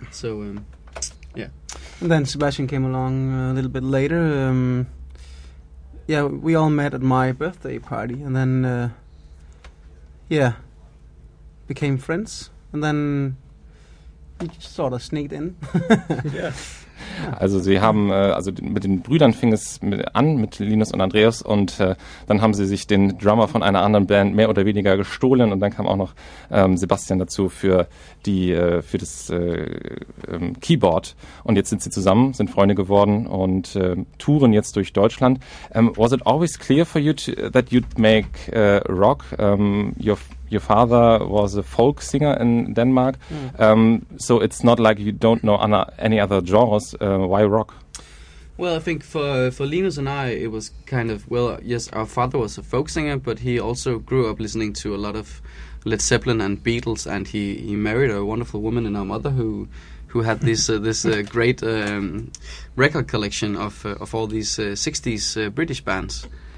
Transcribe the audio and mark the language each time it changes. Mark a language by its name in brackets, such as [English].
[English] So, yeah. And then Sebastian came along a little bit later. Yeah, we all met at my birthday party, and then, became friends, and then he sort of sneaked in. Yeah. [German] Also sie haben, mit den Brüdern fing es an, mit Linus und Andreas, und dann haben sie sich den Drummer von einer anderen Band mehr oder weniger gestohlen, und dann kam auch noch Sebastian dazu für das Keyboard, und jetzt sind sie zusammen, sind Freunde geworden und touren jetzt durch Deutschland. [English] Was it always clear for you that you'd make rock? Your father was a folk singer in Denmark, so it's not like you don't know any other genres. Why rock? Well, I think for Linus and I, it was kind of, well, yes, our father was a folk singer, but he also grew up listening to a lot of Led Zeppelin and Beatles, and he married a wonderful woman in our mother who had this great record collection of all these 60s British bands.